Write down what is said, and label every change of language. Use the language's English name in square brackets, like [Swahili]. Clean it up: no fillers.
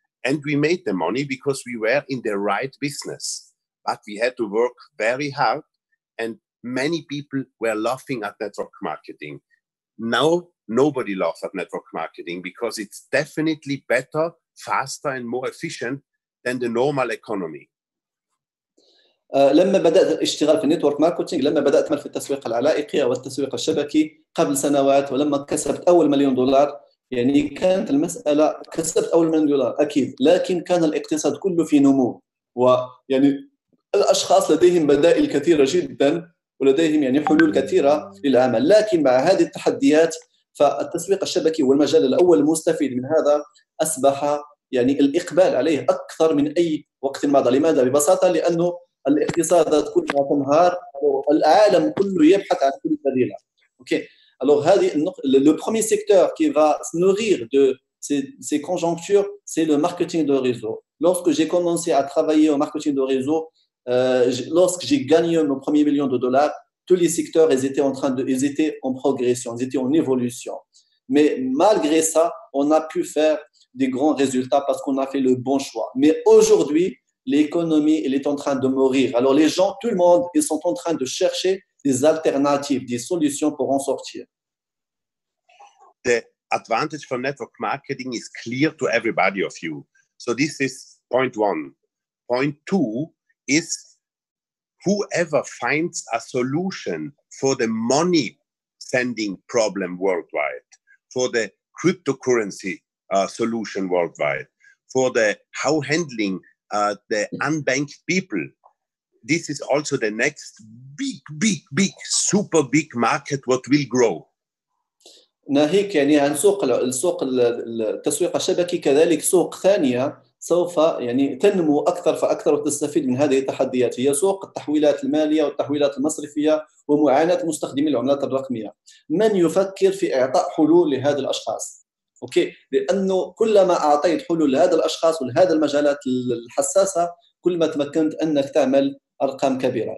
[English] And we made the money because we were in the right business. But we had to work very hard and many people were laughing at network marketing. Now, nobody laughs at network marketing because it's definitely better, faster, and more efficient than the normal economy. [Arabic] لما بدأت اشتغل في network marketing, لما بدأت في التسويق العلائقي والتسويق الشبكي قبل سنوات ولما كسبت أول مليون دولار, يعني كانت المسألة كسبت أول مليون دولار أكيد، لكن كان الاقتصاد كله في نمو، ويعني الأشخاص لديهم بدائل كثيرة جدا ولديهم يعني حلول كثيرة للعمل. لكن مع هذه التحديات فالتسويق الشبكي والمجال الأول المستفيد من هذا أصبح يعني الإقبال عليه أكثر من أي وقت مضى. لماذا؟ ببساطة لأنه الاقتصادات كلها تنهار والعالم كله يبحث عن كل بديلة. أوكي. [French] Alors, le premier secteur qui va se nourrir de ces conjonctures, c'est le marketing de réseau. Lorsque j'ai commencé à travailler au marketing de réseau, lorsque j'ai gagné mon premier million de dollars, tous les secteurs ils étaient en progression, ils étaient en évolution. Mais malgré ça, on a pu faire des grands résultats parce qu'on a fait le bon choix. Mais aujourd'hui, l'économie elle est en train de mourir. Alors les gens, tout le monde, ils sont en train de chercher des alternatives, des solutions pour en sortir. [English] The advantage for network marketing is clear to everybody of you. So this is point one. Point two is whoever finds a solution for the money sending problem worldwide, for the cryptocurrency solution worldwide, for the how handling the unbanked people. This is also the next big, big, big, super big market what will grow. [Arabic] ناهيك يعني عن سوق السوق التسويق الشبكي كذلك سوق ثانية سوف يعني تنمو أكثر فأكثر وتستفيد من هذه التحديات هي سوق التحويلات المالية والتحويلات المصرفية ومعاناة مستخدمي العملات الرقمية. من يفكر في إعطاء حلول لهذا الأشخاص؟ أوكي، لأنه كلما أعطيت حلول لهذا الأشخاص ولهذا المجالات الحساسة كلما تمكنت أنك تعمل أرقام كبيرة.